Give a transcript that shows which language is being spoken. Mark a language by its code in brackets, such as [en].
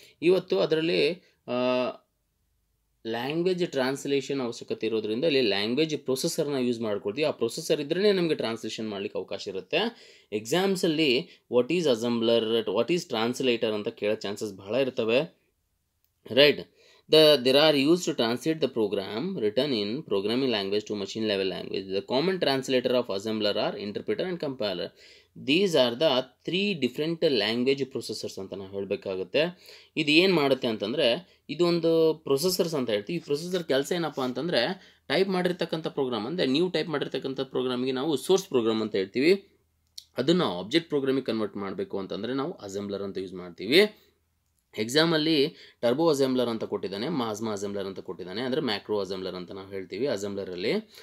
[kn] ಇವತ್ತು ಅದರಲ್ಲಿ language translation ಅವಶ್ಯಕತೆ ಇರೋದ್ರಿಂದ ಇಲ್ಲಿ ಲ್ಯಾಂಗ್ವೇಜ್ ಪ್ರೊಸೆಸರ್ನ ಯೂಸ್ ಮಾಡ್ಕೊಳ್ತೀವಿ. ಆ ಪ್ರೊಸೆಸರ್ ಇದ್ರೇ ನಮಗೆ ಟ್ರಾನ್ಸ್ಲೇಷನ್ ಮಾಡಲಿಕ್ಕೆ ಅವಕಾಶ ಇರುತ್ತೆ. ಎಕ್ಸಾಮ್ಸಲ್ಲಿ what is assembler, what is translator ಅಂತ ಕೇಳೋ ಚಾನ್ಸಸ್ ಬಹಳ ಇರ್ತವೆ. [en] Right, there are used to translate the program written in programming language to machine level language. The common translator of assembler are interpreter and compiler. These are the three different language processors [kn] ಅಂತ ನಾವು ಹೇಳಬೇಕಾಗುತ್ತೆ. ಇದು ಏನು ಮಾಡುತ್ತೆ ಅಂತಂದರೆ, ಇದೊಂದು processors ಅಂತ ಹೇಳ್ತೀವಿ. ಈ ಪ್ರೊಸೆಸರ್ ಕೆಲಸ ಏನಪ್ಪ ಅಂತಂದರೆ, ಟೈಪ್ ಮಾಡಿರ್ತಕ್ಕಂಥ ಪ್ರೋಗ್ರಾಮ್ ಅಂದರೆ ನ್ಯೂ ಟೈಪ್ ಮಾಡಿರ್ತಕ್ಕಂಥ ಪ್ರೋಗ್ರಾಮಿಗೆ ನಾವು ಸೋರ್ಸ್ ಪ್ರೋಗ್ರಾಮ್ ಅಂತ ಹೇಳ್ತೀವಿ. ಅದನ್ನು ಆಬ್ಜೆಕ್ಟ್ ಪ್ರೋಗ್ರಾಮಿಗೆ ಕನ್ವರ್ಟ್ ಮಾಡಬೇಕು ಅಂತಂದರೆ ನಾವು ಅಸೆಂಬ್ಲರ್ ಅಂತ ಯೂಸ್ ಮಾಡ್ತೀವಿ. ಎಕ್ಸಾಮಲ್ಲಿ ಟರ್ಬೋ ಅಸೆಂಬ್ಲರ್ ಅಂತ ಕೊಟ್ಟಿದ್ದಾನೆ, ಮಾಸ್ಮಾ ಅಸೆಂಬ್ಲರ್ ಅಂತ ಕೊಟ್ಟಿದ್ದಾನೆ, ಅಂದರೆ ಮ್ಯಾಕ್ರೋ ಅಸೆಂಬ್ಲರ್ ಅಂತ ನಾವು ಹೇಳ್ತೀವಿ ಅಸೆಂಬ್ಲರಲ್ಲಿ.